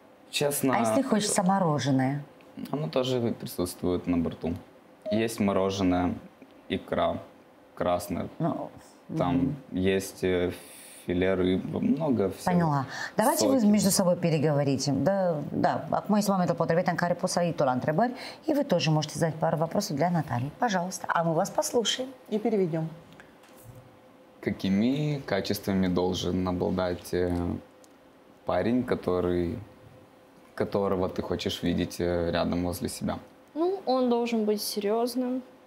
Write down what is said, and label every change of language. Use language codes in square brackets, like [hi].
[ru] Честно. А если хочешь мороженое? Оно тоже присутствует на борту. Есть мороженое, икра красная. Ну, там есть филе рыбы, много всего. Поняла. Давайте вы между собой переговорите. Да, да. [ro] Acum este momentul potrivit în care pot să iei tu la întrebări [ru] и вы тоже можете задать пару вопросов для Натальи. Пожалуйста. А мы вас послушаем. И переведем. Какими качествами должен обладать парень, которого ты хочешь видеть рядом возле себя? Ну, он должен быть серьезным.